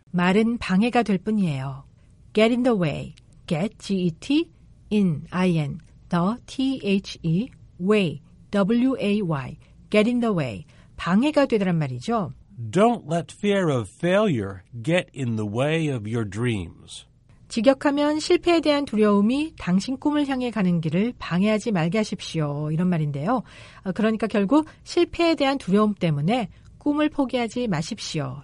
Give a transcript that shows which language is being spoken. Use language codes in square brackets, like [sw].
[ko] 말은 방해가 될 뿐이에요. [en] Get in the way. Get, G-E-T, in, I-N, the, T-H-E, way, W-A-Y. Get in the way. [ko] 방해가 되더란 말이죠. [en] Don't let fear of failure get in the way of your dreams. [ko] 직역하면 실패에 대한 두려움이 당신 꿈을 향해 가는 길을 방해하지 말게 하십시오. 이런 말인데요. 그러니까 결국 실패에 대한 두려움 때문에 꿈을 포기하지 마십시오.